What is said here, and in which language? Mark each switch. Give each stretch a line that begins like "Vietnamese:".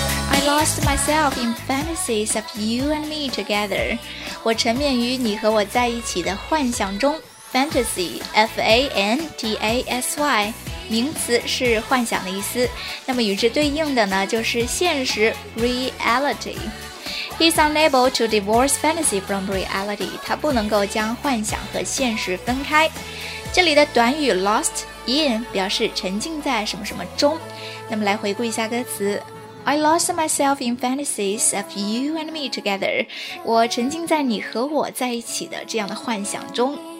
English: I lost myself in fantasies of you and me together.
Chinese: 我沉湎于你和我在一起的幻想中。
English: Fantasy, F-A-N-T-A-S-Y.
Chinese: 名词是幻想的意思，那么与之对应的呢就是现实 reality.
English: He's unable to divorce fantasy from reality.
Chinese: 他不能够将幻想和现实分开。这里的短语 lost in 表示沉浸在什么什么中。那么来回顾一下歌词。
English: I lost myself in fantasies of you and me together.
Chinese: 我沉浸在你和我在一起的这样的幻想中。